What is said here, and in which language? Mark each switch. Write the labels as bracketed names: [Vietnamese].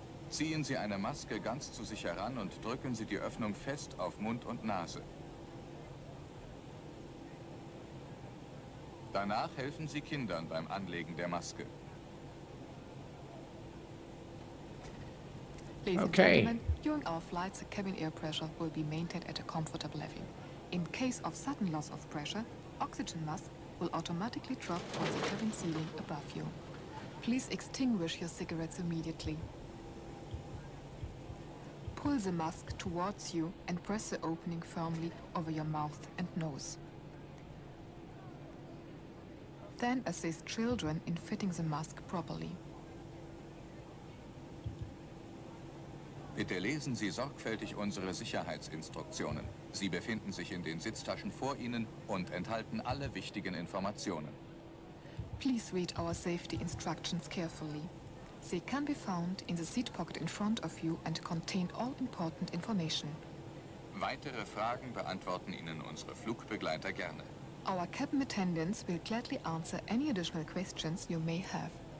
[German] Ziehen Sie eine Maske ganz zu sich heran und drücken Sie die Öffnung fest auf Mund und Nase. Danach helfen Sie Kindern beim Anlegen der Maske. [English] Ladies and gentlemen, during our flights, the cabin air pressure will be maintained at a comfortable level. In case of sudden loss of pressure, oxygen mask will automatically drop from the cabin ceiling above you. Please extinguish your cigarettes immediately. Pull the mask towards you and press the opening firmly over your mouth and nose. Then assist children in fitting the mask properly. [German] Bitte lesen Sie sorgfältig unsere Sicherheitsinstruktionen. Sie befinden sich in den Sitztaschen vor Ihnen und enthalten alle wichtigen Informationen. [English] Please read our safety instructions carefully. They can be found in the seat pocket in front of you and contain all important information. [German] Weitere Fragen beantworten Ihnen unsere Flugbegleiter gerne. [English] Our cabin attendants will gladly answer any additional questions you may have.